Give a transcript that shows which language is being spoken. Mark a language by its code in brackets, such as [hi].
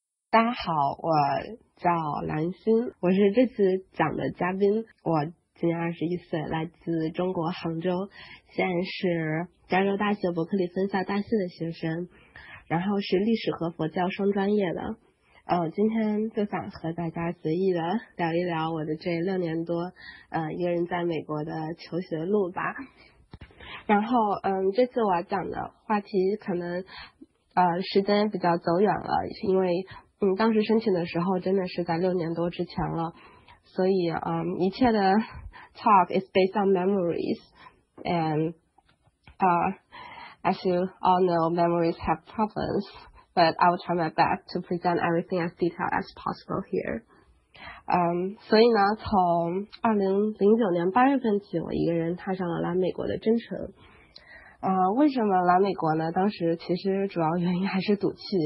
[zh] 大家好，我叫兰心，我是这次讲的嘉宾，我今年21岁，来自中国杭州，现在是加州大学伯克利分校大系的学生，然后是历史和佛教双专业的。今天就想和大家随意的聊一聊我的这6年多，一个人在美国的求学路吧。然后，这次我讲的话题可能，时间也比较走远了，因为。当时申请的时候真的是在6年多之前了，所以一切的 [en] talk is based on memories and as you all know, memories have problems, but I will try my best to present everything as detailed as possible here. [zh] 所以呢，从2009年8月份起，我一个人踏上了来美国的征程。为什么来美国呢？当时其实主要原因还是赌气。